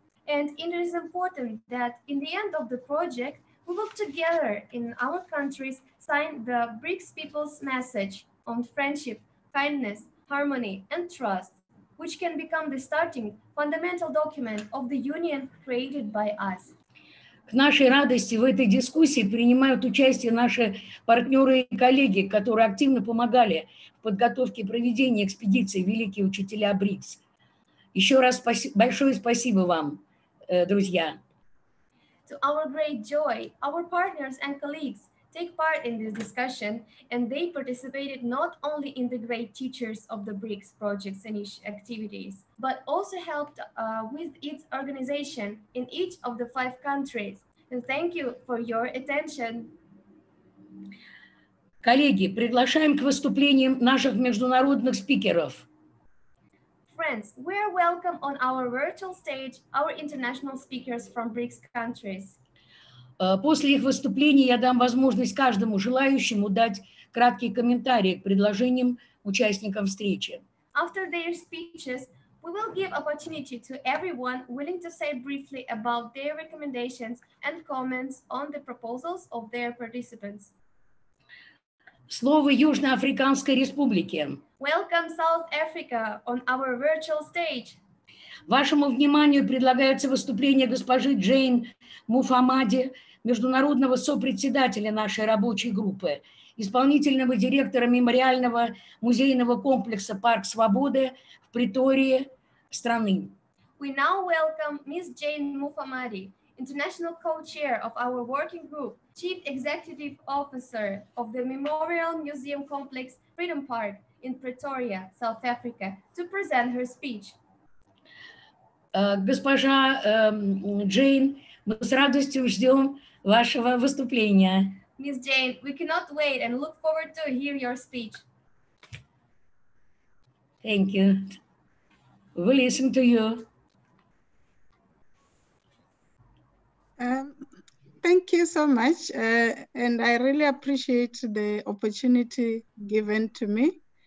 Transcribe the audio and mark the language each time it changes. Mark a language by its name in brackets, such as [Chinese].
[English] And it is important that in the end of the project, we will together in our countries sign the BRICS people's message on friendship, kindness, harmony and trust, which can become the starting fundamental document of the union created by us. [Russian] К нашей радости в этой дискуссии принимают участие наши партнеры и коллеги, которые активно помогали в подготовке и проведении экспедиции «Великие учителя БРИКС». Еще раз большое спасибо вам, друзья. [English] To our great joy, our partners and colleagues take part in this discussion, and they participated not only in the great teachers of the BRICS projects and each activities, but also helped with its organization in each of the five countries. And thank you for your attention. [Russian] Коллеги, приглашаем к выступлениям наших международных спикеров. [English] Friends, friends, we're welcome on our virtual stage our international speakers from BRICS countries. [Russian] После их выступления я дам возможность каждому желающему дать краткий комментарий к предложениям участникам встречи. [English] After their speeches, we will give opportunity to everyone willing to say briefly about their recommendations and comments on the proposals of their participants. [Russian] Слово Южноафриканской Республике. [English] Welcome South Africa on our virtual stage. [Russian] Вашему вниманию предлагается выступление госпожи Джейн Муфамади, международного сопредседателя нашей рабочей группы, исполнительного директора мемориального музейного комплекса «Парк Свободы» в Притории страны. [English] We now welcome Ms. Jane Mufamadi, international co-chair of our working group, chief executive officer of the Memorial Museum Complex Freedom Park in Pretoria, South Africa, to present her speech. [Russian] Госпожа Джейн, мы с радостью ждем вашего выступления. [English] Ms. Jane, we cannot wait and look forward to hear your speech. Thank you. We listen to you. Thank you so much. And I really appreciate the opportunity given to me.